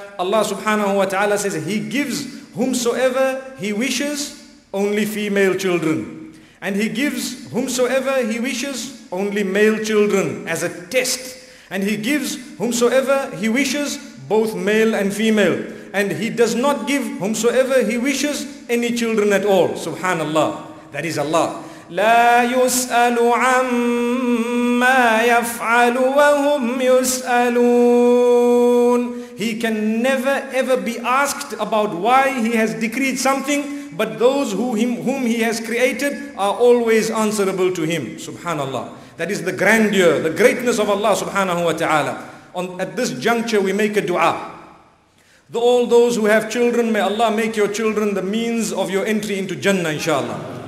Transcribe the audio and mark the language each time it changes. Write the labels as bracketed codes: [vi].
[en] Allah subhanahu wa ta'ala says He gives whomsoever He wishes only female children. And He gives whomsoever He wishes only male children as a test. And He gives whomsoever He wishes both male and female. And He does not give whomsoever He wishes any children at all. Subhanallah. That is Allah. [ar] لا يسأل عما يفعل وهم يسألون. [en] He can never ever be asked about why He has decreed something, but those whom He has created are always answerable to Him. Subhanallah. That is the grandeur, the greatness of Allah subhanahu wa ta'ala. At this juncture we make a dua. All those who have children, may Allah make your children the means of your entry into Jannah inshallah.